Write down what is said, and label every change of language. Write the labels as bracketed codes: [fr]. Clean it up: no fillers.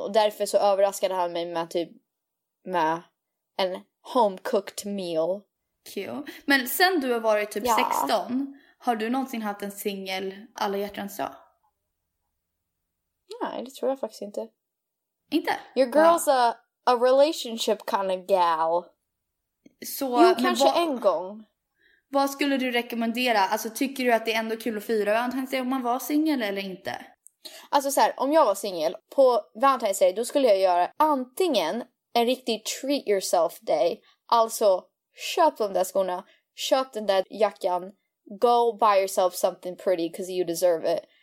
[sv] Och därför så överraskade han mig med typ med en [en] home-cooked meal. Cute. [sv] Men sen du har varit typ 16, har du någonsin haft en singel Alla hjärtans dag? Nej, det tror jag faktiskt inte. Inte? [en] Your girl's a relationship kind of gal. [sv] Så, jo, kanske en gång. Vad skulle du rekommendera? Alltså, tycker du att det är ändå kul att fira Valentine's Day om man var singel eller inte? Alltså så här, om jag var singel på Valentine's Day, då skulle jag göra antingen en riktig [en] treat yourself day, [sv] alltså köp de där skorna, köp den där jackan, [en] go buy yourself something pretty because you deserve it.